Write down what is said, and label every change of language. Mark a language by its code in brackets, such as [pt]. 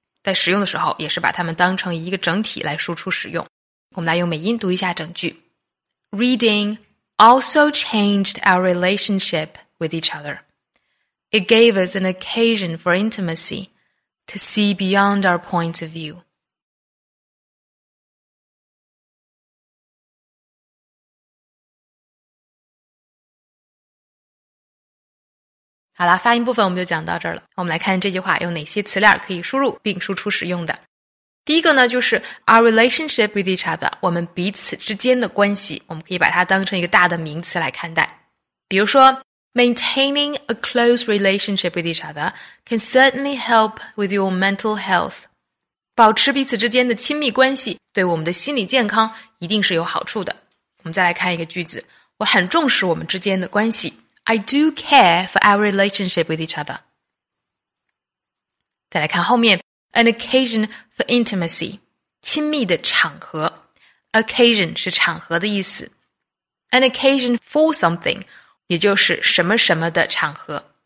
[zh] 在使用的时候，也是把它们当成一个整体来输出使用。我们来用美音读一下整句。 [en] Reading also changed our relationship with each other. It gave us an occasion for intimacy to see beyond our point of view. [zh] 好了，发音部分我们就讲到这儿了。我们来看这句话有哪些词链可以输入并输出使用的。第一个呢，就是 [en] our relationship with each other， [zh] 我们彼此之间的关系，我们可以把它当成一个大的名词来看待。比如说 [en] ，maintaining a close relationship with each other can certainly help with your mental health。 [zh] 保持彼此之间的亲密关系，对我们的心理健康一定是有好处的。我们再来看一个句子，我很重视我们之间的关系。 [en] I do care for our relationship with each other. [zh] 再来看后面 , [en] an occasion for intimacy, [zh] 亲密的场合。 occasion 是场合的意思。 [en] an occasion for something, [zh] 也就是什么什么的场合。